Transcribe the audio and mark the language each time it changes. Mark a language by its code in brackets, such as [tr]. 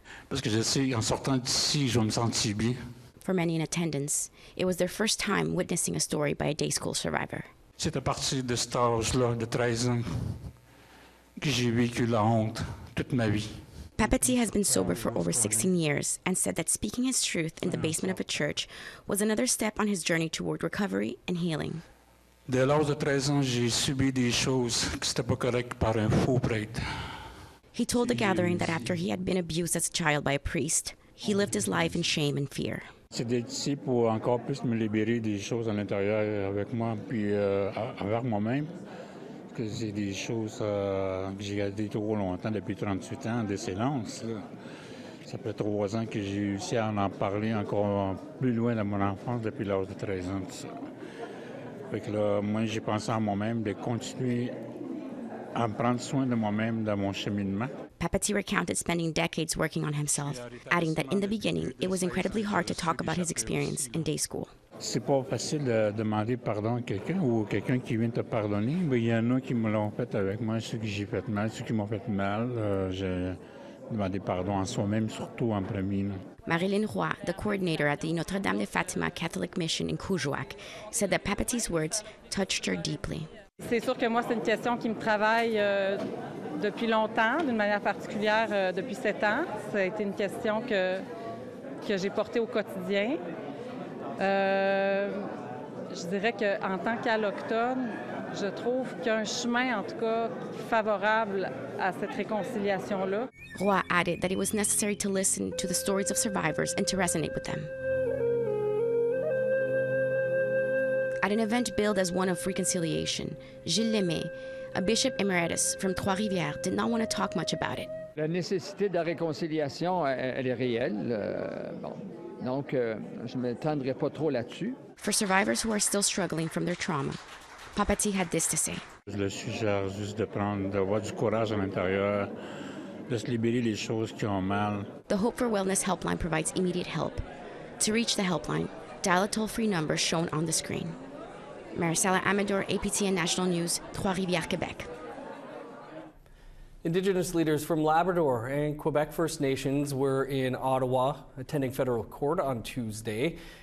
[en] For many in attendance, it was their first time witnessing a story by a day school survivor. Papati has been sober for over 16 years and said that speaking his truth in the basement of a church was another step on his journey toward recovery and healing. [fr] Dès l'âge de 13 ans, j'ai subi des choses qui n'étaient pas correctes par un faux prêtre. [en] He told the gathering that after he had been abused as a child by a priest, he lived his life in shame and fear. [fr] C'était ici pour encore plus me libérer des choses à l'intérieur avec moi puis avec moi-même, parce que c'est des choses que j'ai gardées trop longtemps, depuis 38 ans, de silence. Ça fait 3 ans que j'ai réussi à en parler encore plus loin de mon enfance depuis l'âge de 13 ans, tout ça. Fait que là, moi, j'ai pensé à moi-même de continuer à prendre soin de moi-même dans mon cheminement. [en] Papati recounted spending decades working on himself, adding that in the beginning, it was incredibly hard to talk about his experience in day school. [fr] C'est pas facile de demander pardon à quelqu'un ou quelqu'un qui vient te pardonner, mais il y en a qui me l'ont fait avec moi, ceux que j'ai fait mal, ceux qui m'ont fait mal. J'ai demandé pardon à soi-même, surtout en premier. Là. [en] Marilyn Roy, the coordinator at the Notre-Dame de Fatima Catholic Mission in Cujuac, said that Papati's words touched her deeply. [fr] C'est sûr que moi, c'est une question qui me travaille depuis longtemps, d'une manière particulière depuis 7 ans. Ça a été une question que que j'ai porté au quotidien. Je dirais qu'en tant qu'alloctone, je trouve qu'un chemin, en tout cas, favorable à cette réconciliation-là. [en] Roy added that it was necessary to listen to the stories of survivors and to resonate with them. At an event billed as one of reconciliation, Gilles Lemay, a bishop emeritus from Trois-Rivières, did not want to talk much about it. [fr] La nécessité de la réconciliation, elle est réelle. Bon, donc, je ne m'étendrai pas trop là-dessus. [en] For survivors who are still struggling from their trauma, Papati had this to say. [fr] Je le suggère juste de prendre, d'avoir du courage à l'intérieur, de se libérer des choses qui ont mal. [en] The Hope for Wellness helpline provides immediate help. To reach the helpline, dial a toll-free number shown on the screen. Maricela Amador, APTN National News, Trois-Rivières, Quebec. Indigenous leaders from Labrador and Quebec First Nations were in Ottawa attending federal court on Tuesday.